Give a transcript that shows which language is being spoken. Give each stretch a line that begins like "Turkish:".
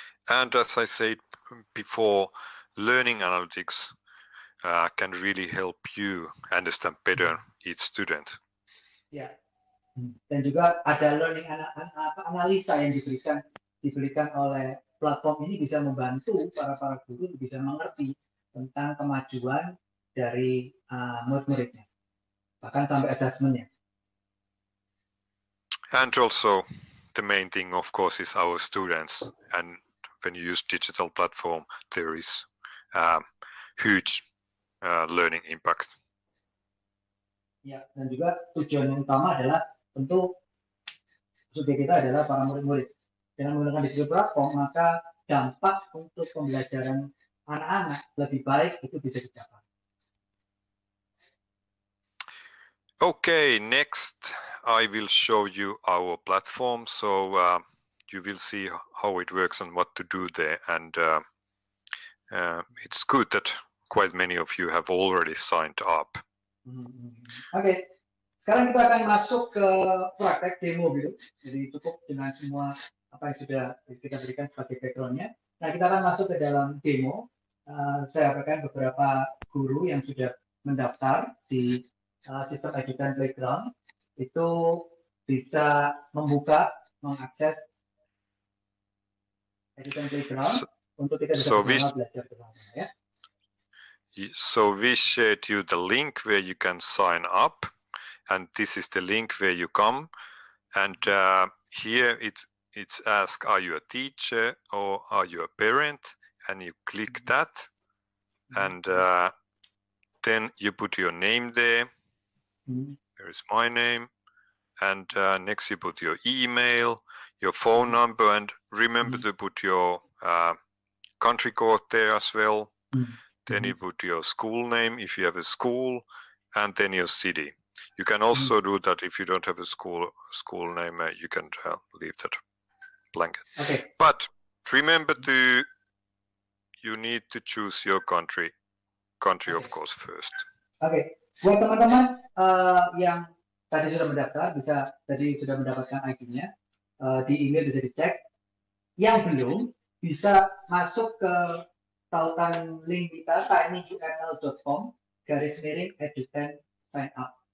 English: And as I said before, learning analytics can really help you understand better each student.
Indonesian: Yeah. And juga ada learning analisa yang diberikan oleh platform ini bisa membantu para guru bisa mengerti tentang kemajuan dari murid-muridnya, bahkan sampai assessment-nya.
English: And also, the main thing, of course, is our students. And when you use digital platform, there is huge learning impact.
Indonesian: Ya, dan juga tujuan yang utama adalah tentu subjek kita adalah para murid-murid. Dengan menggunakan digital platform, maka dampak untuk pembelajaran anak-anak lebih baik itu bisa dicapai.
English: Okay, next. I will show you our platform, so you will see how it works and what to do there. And it's good that quite many of you have already signed up.
Indonesian: Okay, sekarang kita akan masuk ke praktek demo gitu. Jadi cukup dengan semua apa yang sudah kita berikan sebagai backgroundnya. Nah, kita akan masuk ke dalam demo. Saya akan beberapa guru yang sudah mendaftar di sistem edukan playground. Itu bisa membuka, mengakses EDUTEN Playground untuk kita bisa belajar bersama ya.
English: So we shared you the link where you can sign up, and this is the link where you come, and here it's asked, are you a teacher or are you a parent, and you click that, and then you put your name there. Here is my name, and next you put your email, your phone number, and remember to put your country code there as well. Then you put your school name if you have a school, and then your city. You can also do that if you don't have a school name, you can leave that blank. Okay. But remember to, you need to choose your country okay. Of course first. Okay.
Indonesian: Buat teman-teman yang tadi sudah mendaftar, bisa tadi sudah mendapatkan ID-nya, di email bisa dicek. Yang belum, bisa masuk ke tautan link kita, tinyurl.com/edutensignup.